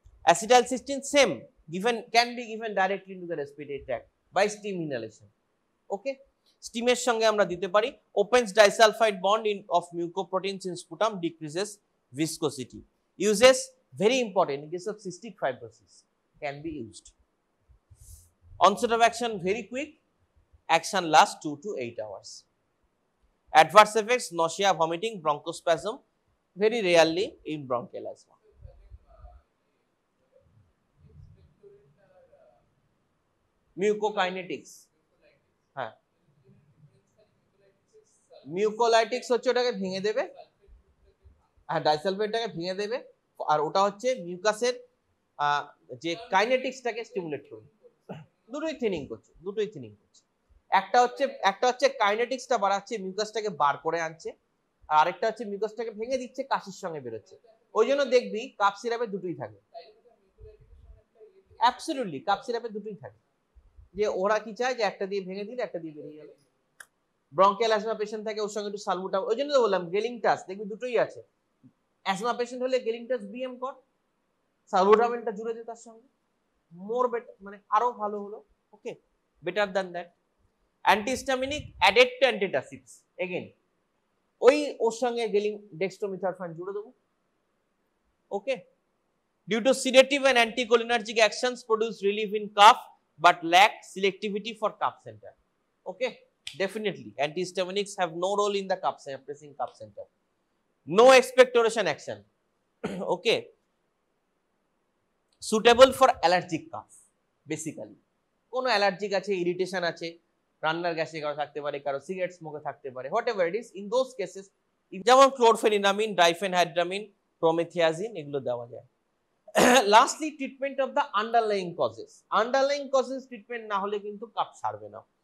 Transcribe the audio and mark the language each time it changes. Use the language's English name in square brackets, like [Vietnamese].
[English] Acetylcysteine same given, can be given directly into the respiratory tract by steam inhalation, okay, [Bangla] steam er shonge amra dite pari, [English] opens disulfide bond in of mucoproteins in sputum, decreases viscosity, uses very important in case of cystic fibrosis, can be used, onset of action very quick, action lasts 2 to 8 hours, adverse effects nausea, vomiting, bronchospasm, very rarely in bronchial asthma. [Bangla] Mucokinetics, ha, mucolytics hocche otake bhinge debe, ha, disulfide take bhinge debe, ar ota hocche mucus er je kinetics take stimulate korbe, dutoi thinning korche, dutoi thinning korche, একটা হচ্ছে কাইনেটিক্সটা বাড়াচ্ছে, মিউকাসটাকে বার করে আনছে, আর আরেকটা হচ্ছে মিউকাসটাকে ভেঙে দিচ্ছে, কাশির সঙ্গে বেরোচ্ছে, ওই জন্য দেখবি কাপ সিরাপে দুটোই থাকে, অ্যাবসলিউটলি কাপ সিরাপে দুটোই থাকে, যে ওরা কি চায় যে একটা দিয়ে ভেঙে দিলে একটা দিয়ে বেরিয়ে গেল, ব্রঙ্কিয়াল অ্যাজমা পেশেন্ট থাকে ওর সঙ্গে একটু সালবুটাম, ওই জন্য তো বললাম গেলিং টাস দেখবি দুটোই আছে, অ্যাজমা পেশেন্ট হলে গেলিং টাস বিএম কর, সালবুটামেনটা জুড়ে দে তার সঙ্গে, মোর বেটার, মানে আরো ভালো হলো, ওকে, [English] Better than that. Antihistaminic added to antitussives. Again, [Bangla] ওই ওর সঙ্গে গেলিং ডেক্সট্রোমিথারফান জুড়ে দেবো, ওকে। [English] Due to sedative and anticholinergic actions produce relief in cough but lack selectivity for cough center. Okay, definitely antihistaminics have no role in the cough center, pressing cough center. No expectoration action. Okay. Suitable for allergic cough, basically. [Bangla] কোনো allergic আছে, irritation আছে, রান্নার গ্যাসে কারো থাকতে পারে, কারো cigarette স্মোকে থাকতে পারে, [English] whatever it is, in those cases [Bangla] যেমন ক্লোরফেনিনামিন, ডাইফেনহাইড্রামিন, প্রোমেথিয়াজিন, এগুলো দেওয়া যায়। Lastly treatment of the underlying causes, underlying causes treatment না হলে কিন্তু কাপ ছাড়বে না।